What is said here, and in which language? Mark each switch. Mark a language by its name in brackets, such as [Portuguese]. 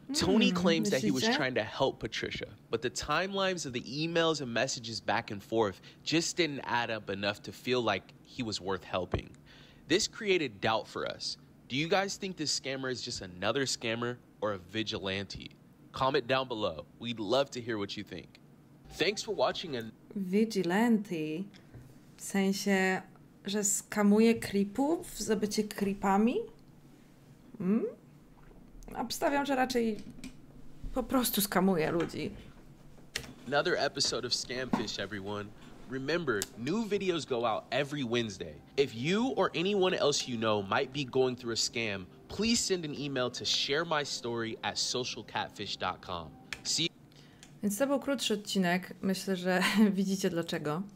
[English] Tony claims that he was trying to help Patricia, but the timelines of the emails and messages back and forth just didn't add up enough to feel like he was worth helping. This created doubt for us. Do you guys think this scammer is just another scammer or a vigilante? Comment down below. We'd love to hear what you think. Thanks for watching and... Vigilante? [Polish] W sensie, że skamuje creepów za bycie creepami? Obstawiam, że raczej po prostu skamuje ludzi. [English] Another episode of Scamfish, everyone. Remember, new videos go out every Wednesday. If you or anyone else you know might be going through a scam, please send an email to sharemystory@socialcatfish.com. See. [Polish] Więc to był krótszy odcinek. Myślę, że widzicie dlaczego.